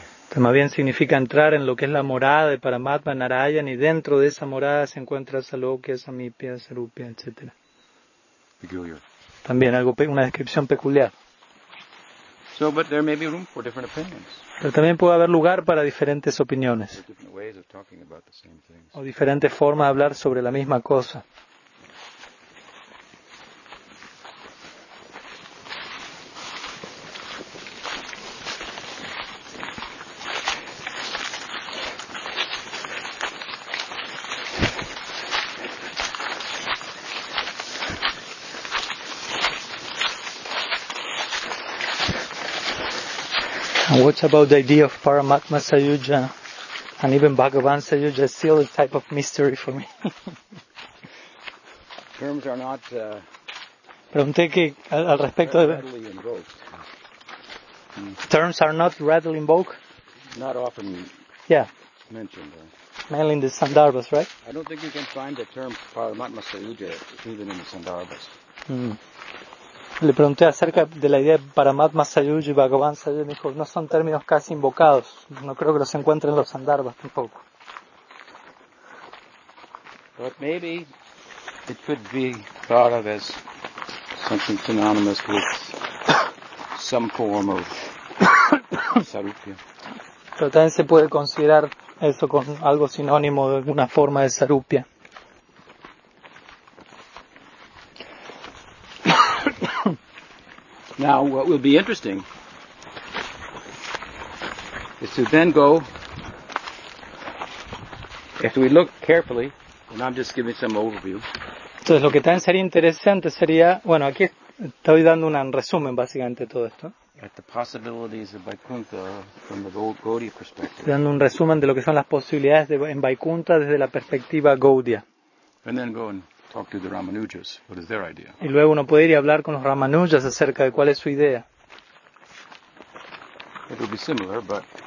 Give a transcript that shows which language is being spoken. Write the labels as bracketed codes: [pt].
[es] Que más bien significa entrar en lo que es la morada de Paramatma, Narayan, y dentro de esa morada se encuentra Salokya, Samipya, Sarupya, etc. [en] Peculiar. [es] También algo, una descripción peculiar. [en] So, but there may be room for different opinions. [es] Pero también puede haber lugar para diferentes opiniones. [en] Or different ways of talking about the same things. [es] O diferentes formas de hablar sobre la misma cosa. [en] What about the idea of Paramatma Sayuja and even Bhagavan Sayuja is still a type of mystery for me. Terms are not [es] pregunté que al respecto [en] readily [es] de [en] invoked. Terms are not readily invoked. Not often mentioned. Mainly in the Sandarbhas, right? I don't think you can find the term Paramatma Sayuja even in the Sandarbhas. [es] Le pregunté acerca de la idea de Paramatma Sayuja y Bhagavan Sayuja y me dijo, no son términos casi invocados. No creo que los encuentren en los Sandarbhas tampoco. [en] But maybe it could be thought of as something synonymous with some form of Sarupya. [es] Pero también se puede considerar eso con algo sinónimo de alguna forma de Sarupya. [en] Now, what will be interesting is to then go, after we look carefully, and I'm just giving some overview. [es] Entonces, lo que también sería interesante sería, bueno, aquí estoy dando un resumen básicamente de todo esto. [en] At the possibilities of Vaikuntha from the Gaudiya perspective. [es] Dando un resumen de lo que son las posibilidades de, en Vaikuntha desde la perspectiva Gaudiya. [en] And then go and talk to the Ramanujas. What is their idea? [es] Y luego uno puede ir y hablar con los Ramanujas acerca de cuál es su idea. [en] It will be similar, but...